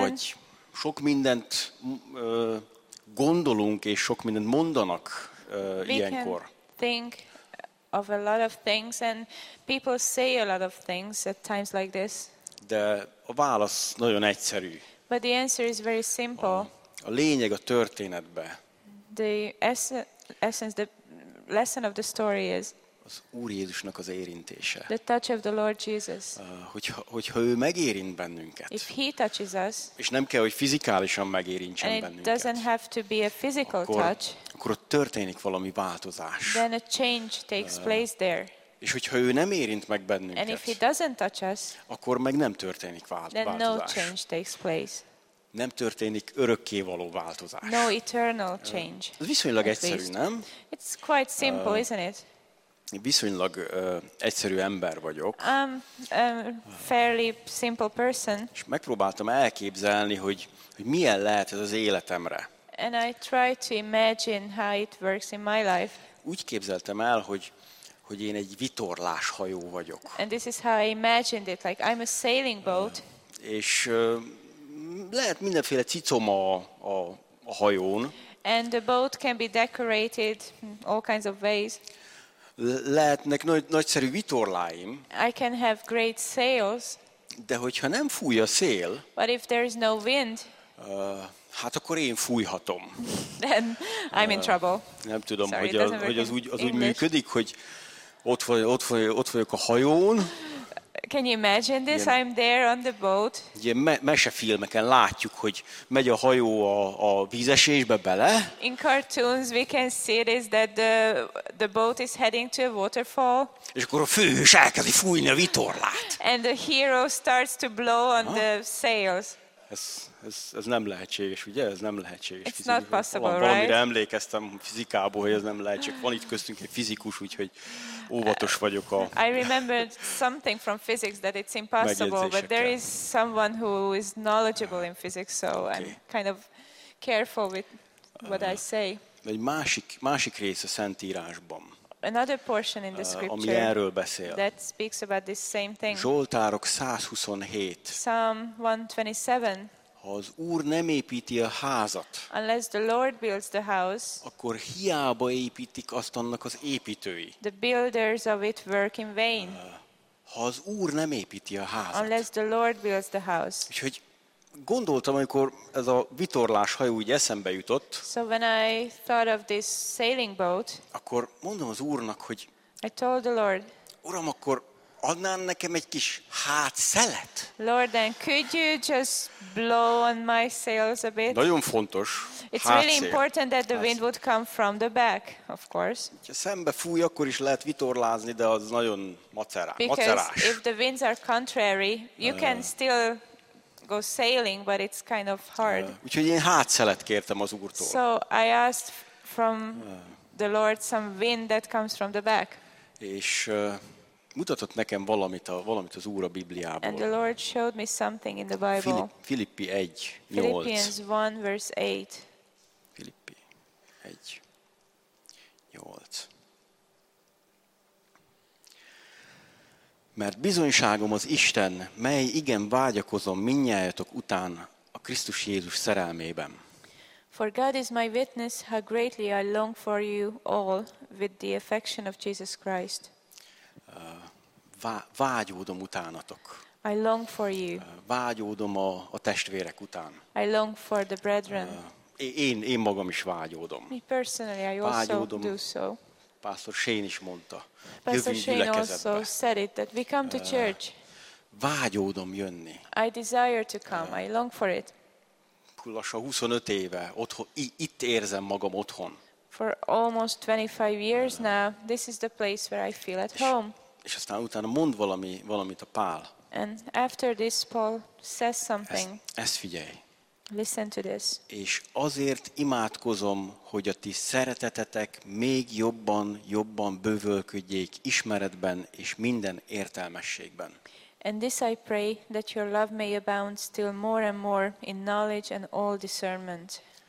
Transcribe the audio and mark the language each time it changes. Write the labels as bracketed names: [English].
[Hungarian] Vagy sok mindent gondolunk és sok mindent mondanak ilyenkor. [English] We can think of a lot of things and people say a lot of things at times like this. [Hungarian] De a válasz nagyon egyszerű. [English] But the answer is very simple. [Hungarian] A lényeg a történetbe. [English] The essence, the lesson of the story is [Hungarian] az Úr Jézusnak az érintése. [English] The touch of the Lord Jesus. [Hungarian] Hogyha ő megérint bennünket. [English] If he touches us. [Hungarian] És nem kell, hogy fizikálisan megérintsen bennünket. [English] It doesn't have to be a physical touch. [Hungarian] Akkor ott történik valami változás. [English] Then a change takes place there. [Hungarian] És hogyha ő nem érint meg bennünket. [English] And if he doesn't touch us. [Hungarian] Akkor meg nem történik változás. [English] Then no change takes place. [Hungarian] Nem történik örökké való változás. [English] No eternal change. [Hungarian] Ez viszonylag egyszerű, nem? [English] It's quite simple, isn't it? [Hungarian] Viszonylag egyszerű ember vagyok. [English] A fairly simple person. [Hungarian] És megpróbáltam elképzelni, hogy milyen lehet ez az életemre. [English] And I try to imagine how it works in my life. [Hungarian] Úgy képzeltem el, hogy én egy vitorláshajó vagyok. [English] And this is how I imagined it, like I'm a sailing boat. [Hungarian] És lehet mindenféle cicom a hajón. [English] And the boat can be decorated all kinds of ways. [Hungarian] Lehetnek nagyszerű vitorláim. [English] I can have great sails. [Hungarian] De hogyha nem fúj a szél. [English] But if there is no wind. [Hungarian] Hát akkor én fújhatom. [English] Then I'm in trouble. [Hungarian] Nem tudom, sorry, hogy az úgy működik, hogy ott vagyok a hajón. [English] Can you imagine this? [Hungarian] Ilyen, [English] I'm there on the boat. [Hungarian] Ilyen mesefilmeken látjuk, hogy megy a hajó a vízesésbe bele. [English] In cartoons we can see this, that the boat is heading to a waterfall. [Hungarian] És akkor a főhős elkezdi fújni a vitorlát. [English] And the hero starts to blow on the sails. [Hungarian] Ez nem lehetséges, ugye? Ez nem lehetséges. [English] It's not possible, right? [Hungarian] Valamire emlékeztem fizikából, hogy ez nem lehetséges. Van itt köztünk egy fizikus, úgyhogy óvatos vagyok a. [English] I remembered something from physics that it's impossible, but there is someone who is knowledgeable in physics, so okay. I'm kind of careful with what I say. [Hungarian] Egy másik rész a Szentírásban. [English] Another portion in the scripture. [Hungarian] Ami erről beszél. [English] That speaks about this same thing. [Hungarian] Zsoltárok 127. [English] Psalm 127. [Hungarian] Ha az Úr nem építi a házat, [English] unless the Lord builds the house, [Hungarian] akkor hiába építik azt annak az építői. [English] The builders of it work in vain. [Hungarian] Ha az Úr nem építi a házat, [English] unless the Lord builds the house. [Hungarian] Úgyhogy gondoltam, amikor ez a vitorlás hajó úgy eszembe jutott, [English] so when I thought of this sailing boat, [Hungarian] akkor mondom az Úrnak, hogy [English] I told the Lord, [Hungarian] Uram, akkor adnál nekem egy kis hátszelet? [English] Lord, then could you just blow on my sails a bit? [Hungarian] Nagyon fontos. [English] It's really important that the wind would come from the back, of course. [Hungarian] Ha szembe fúj, akkor is lehet vitorlázni, de az nagyon macerás. [English] Because if the winds are contrary, you can still go sailing, but it's kind of hard. [Hungarian] Úgyhogy én hátszelet kértem az Úrtól. [English] So I asked from the Lord some wind that comes from the back. [Hungarian] És mutatott nekem valamit az Úr a Bibliából. [English] And the Lord showed me something in the Bible. [Hungarian] Filippi 1, 8. [English] Philippians 1, verse 8. [Hungarian] Filippi 1, 8. Mert bizonyságom az Isten, mely igen vágyakozom mindnyájatok után a Krisztus Jézus szerelmében. [English] For God is my witness, how greatly I long for you all with the affection of Jesus Christ. [Hungarian] Vágyódom utánatok. [English] I long for you. [Hungarian] Vágyódom a testvérek után. [English] I long for the brethren. [Hungarian] Én magam is vágyódom. [English] Me personally, I [Hungarian] vágyódom, [English] also do so. [Hungarian] Pásztor Shane is mondta. [English] Pastor Shane also said it, that we come to church. [Hungarian] Vágyódom jönni. [English] I desire to come. I long for it. [Hungarian] Lassan 25 éve itt érzem magam otthon. [English] For almost 25 years now, this is the place where I feel at home. [Hungarian] És aztán utána mond valamit a Pál. [English] And after this Paul says something. [Hungarian] Ezt figyelj. [English] Listen to this. [Hungarian] És azért imádkozom, hogy a ti szeretetetek még jobban bővölködjék ismeretben és minden értelmességben. [English] And this I pray, that your love may abound still more and more in knowledge and all discernment.